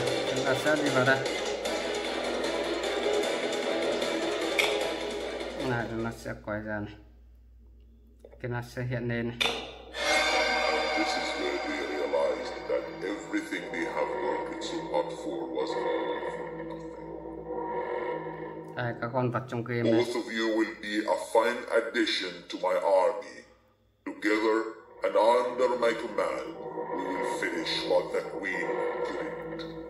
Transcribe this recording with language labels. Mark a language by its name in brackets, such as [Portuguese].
[Vietnamese] Chúng ta sẽ đi vào đây. Này, chúng ta sẽ quay ra này. Cái nó sẽ hiện lên này. [English] This is where we realized that everything we have worked so hard for was all for nothing. [Vietnamese] Đây, các con vật trong game này. [English] Both of you will be a fine addition to my army. Together and under my command, we will finish what the Queen couldn't.